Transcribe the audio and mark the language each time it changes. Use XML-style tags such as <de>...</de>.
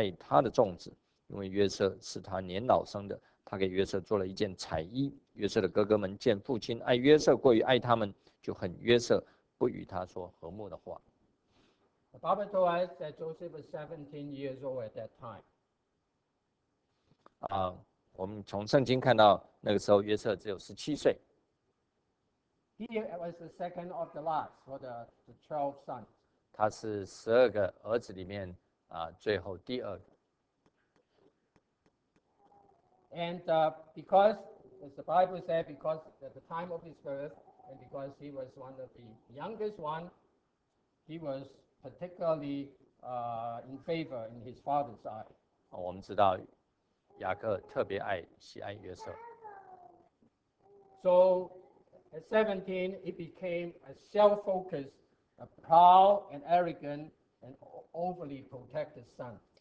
<zh>创世纪第37章从第一节开始，我们看到雅各住在迦南地，就是他父亲寄居的地。约瑟雅各的纪律如下：约瑟17岁，与他哥哥们一同牧羊。他是个童子，与他父亲的妾比拉、西伯的儿子们常在一处。约瑟将他哥哥们的恶行报给他们的父亲。以色列原来爱约瑟过于爱他的种子，因为约瑟是他年老生的。他给约瑟做了一件彩衣。约瑟的哥哥们见父亲爱约瑟过于爱他们，就恨约瑟不与他说和睦的话。The</zh> <en>Bible told us that Joseph was 17 years old at that time.</en> <zh>我们从圣经看到，那个时候约瑟只有17岁。He</zh> <en>was the second of the last for the 12 sons.</en> <zh>他是12个儿子里面最后第二个。</zh> <en>And because, as the Bible said, because at the time of his birth, and because he was one of the youngest one, he was particularly in favor in his father's eye.</en> <zh>我们知道雅各特别喜爱约瑟。</zh> <en>So at 17, he became a self-focused, a proud and arrogant and overly protected son.</en>